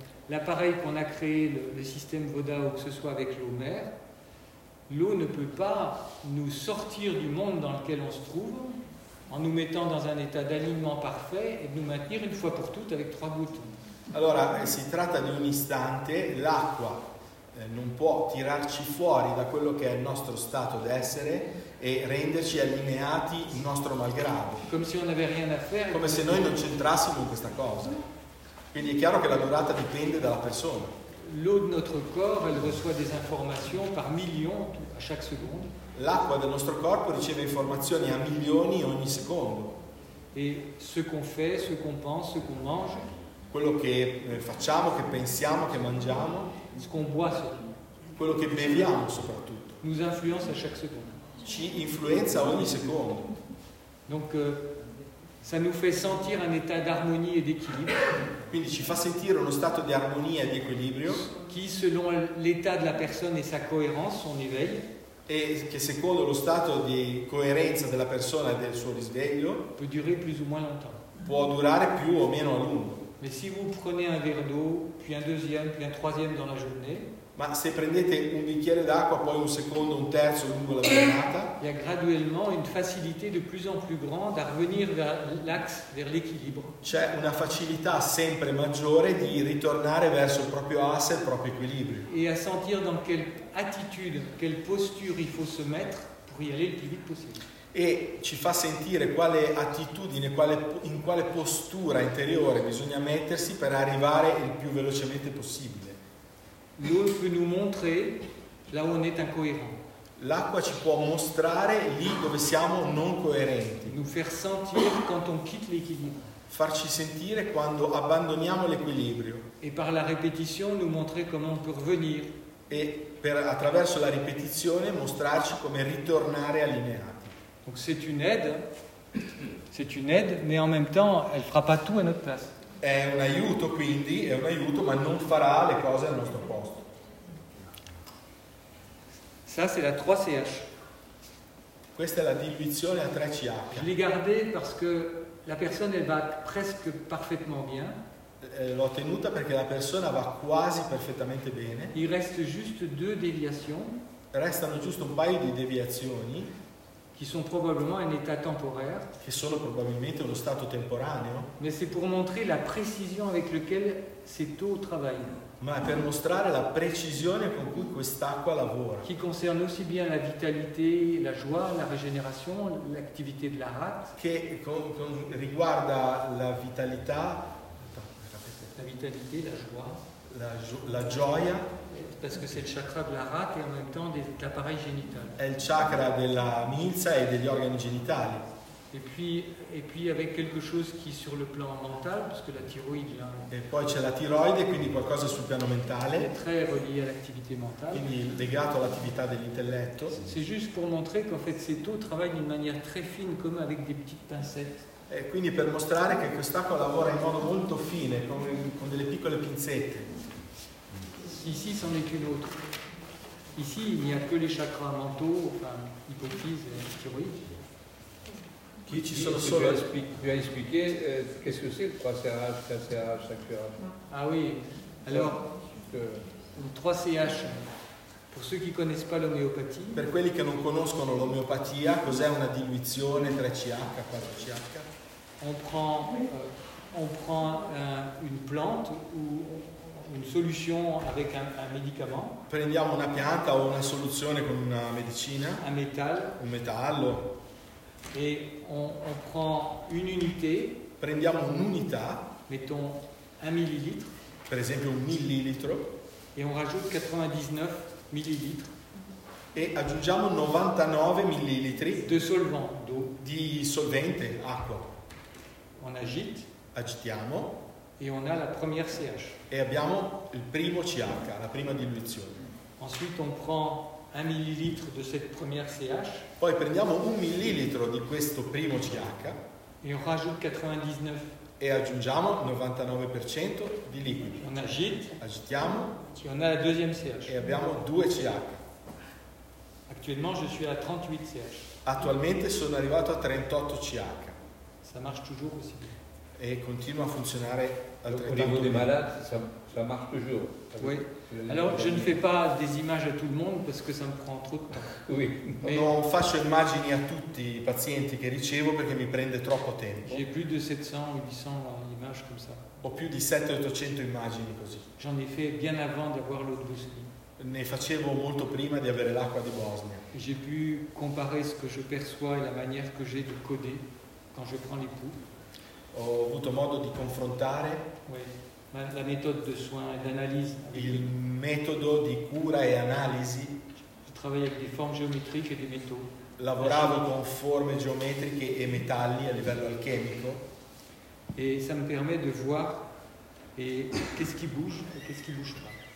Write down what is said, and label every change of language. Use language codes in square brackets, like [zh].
[fr] l'appareil qu'on a créé, le système Voda ou que ce soit avec l'eau-mère, l'eau ne peut pas nous sortir du monde dans lequel on se trouve en nous mettant dans un état d'alignement parfait et de nous maintenir une fois pour toutes avec trois gouttes. [it] Allora, si tratta di un istante, l'acqua non può tirarci fuori da quello che è il nostro stato d'essere e renderci allineati il nostro malgrado. Come se, [fr] on avait rien à faire, [it] come se noi non c'entrassimo in questa cosa. Quindi è chiaro che la durata dipende dalla persona. [fr] L'eau de notre corps, elle reçoit des informations par millions à chaque seconde. [it] L'acqua del nostro corpo riceve informazioni a milioni ogni secondo. [fr] Et ce qu'on fait, ce qu'on pense, ce qu'on mange. [it] Quello che facciamo, che pensiamo, che mangiamo. [fr] Ce qu'on boit surtout. [it] Quello che beviamo soprattutto. [fr] Nous influence à chaque seconde. [it] Ci influenza ogni secondo. [fr] Donc, ça nous fait sentir un état d'harmonie et d'équilibre. [it] Quindi ci fa sentire uno stato di armonia e di equilibrio. [fr] Qui, selon l'état de la personne et sa cohérence, son éveil. [it] E che secondo lo stato di coerenza della persona e del suo risveglio. [fr] Peut durer plus ou moins longtemps. [it] Può durare più o meno a lungo. [fr] Mais si vous prenez un verre d'eau, puis un deuxième, puis un troisième dans la journée. [it] Ma se prendete un bicchiere d'acqua, poi un secondo, un terzo lungo la giornata. [fr] Il y a graduellement une facilité de plus en plus grande à revenir vers l'axe, vers l'équilibre. [it] C'è una facilità sempre maggiore di ritornare verso il proprio asse, il proprio equilibrio. [fr] Et à sentir dans quelle attitude, quelle posture il faut se mettre pour y aller le plus vite possible. [it] E ci fa sentire quale attitudine, in quale postura interiore bisogna mettersi per arrivare il più velocemente possibile. [fr] L'eau peut nous montrer là où on est incohérent. [it] L'acqua ci può mostrare lì dove siamo non coerenti. [fr] Nous faire sentir quand on quitte l'équilibre. [it] Farci sentire quando abbandoniamo l'equilibrio. [fr] Et par la répétition nous montrer comment on peut revenir. [it] E per attraverso la ripetizione mostrarci come ritornare allineati. [fr] Donc c'est une aide, mais en même temps, elle ne fera pas tout à notre place. C'est [it] un aiuto, quindi, è un aiuto, ma non farà le cose al nostro posto. [fr] Ça, c'est la 3CH. [it] Questa è la diluizione a 3CH. [fr] Je l'ai gardée parce que la personne, elle va presque parfaitement bien. [it] L'ho tenuta perché la persona va quasi perfettamente bene. [fr] Il reste juste deux déviations. [it] Restano giusto un paio di deviazioni. [fr] Qui sont probablement un état temporaire. [it] Che sono probabilmente uno stato temporaneo. [fr] Mais c'est pour montrer la précision avec laquelle cette eau travaille. [it] Ma è per mostrare la precisione con cui quest'acqua lavora. [fr] Qui concerne aussi bien la vitalité, la joie, la régénération, l'activité de la rate. [it] Che riguarda la vitalità. [fr] La vitalité, la joie. [it] La gioia. [fr] Parce que c'est le chakra de la rate et en même temps de l'appareil génital. [it] È il chakra della milza e degli organi genitali. [fr] Et puis avec quelque chose qui sur le plan mental, parce que la thyroïde. Là, [it] e poi c'è la tiroide, quindi qualcosa sul piano mentale. [fr] È très relié à l'activité mentale. [it] Quindi legato all'attività dell'intelletto. [fr] C'est juste pour montrer qu'en fait cette eau travaille d'une manière très fine, comme avec des petites pincettes. [it] E quindi per mostrare che quest'acqua lavora in modo molto fine, con delle piccole pinzette. [fr] Ici, c'en est qu'une autre. Ici, il n'y a que les chakras mentaux, enfin, hypophyse et thyroïde. Qui ci sont sur le sol. Tu as expliqué qu'est-ce que c'est le 3CH, 4CH, 5CH. Ah oui, alors, le 3CH, pour ceux qui ne connaissent pas l'homéopathie. [it] Per quelli che non conoscono l'omeopatia, cos'è una diluizione 3CH, 4CH? [fr] On prend une plante ou. Une solution avec un médicament. [it] Prendiamo una pianta o una soluzione con una medicina. Un metallo. Un metallo. [fr] Et on prend une unité. [it] Prendiamo un'unità. [fr] Mettons un millilitre. [it] Per esempio un millilitro. [fr] Et on rajoute 99 millilitres. [it] E aggiungiamo 99 millilitri. [fr] De solvant, d'eau. [it] Di solvente, acqua. [fr] On agite. [it] Agitiamo. [fr] Et on a la première CH. [it] Et abbiamo il primo CH, la prima diluizione. [fr] Ensuite, on prend un millilitre de cette première CH. [it] Poi prendiamo un millilitro di questo primo CH. [fr] Et on rajoute 99. [it] E aggiungiamo 99% di liquido. [fr] On agite. [it] Agitiamo. [fr] Et on a la deuxième CH. [it] E abbiamo due CH. [fr] Actuellement, je suis à 38 CH. [it] Attualmente sono arrivato a 38 CH. [fr] Ça marche toujours aussi bien. et continue à fonctionner. Au niveau des malades, ça marche toujours. Oui. Alors, je ne fais pas des images à tout le monde parce que ça me prend trop de temps. Oui. [it] Non, faccio immagini a tutti i pazienti che ricevo perché mi prende troppo tempo. [fr] J'ai plus de 700 ou 800 images comme ça. [it] Ho più di 700-800 immagini così. [fr] J'en ai fait bien avant d'avoir l'eau de Bosnie. [it] Ne facevo molto prima di avere l'acqua di Bosnia. [fr] J'ai pu comparer ce que je perçois et la manière que j'ai de coder quand je prends les poux. [it] Ho avuto modo di confrontare. [fr] Oui. La méthode de soins et d'analyse. [it] Il metodo di cura e analisi. [fr] Je travaillais avec des formes géométriques et des métaux. [it] Lavoravo con forme geometriche e metalli a livello alchemico. [fr] Et ça me permet de voir et qu'est-ce qui bouge et qu'est-ce qui bouge pas.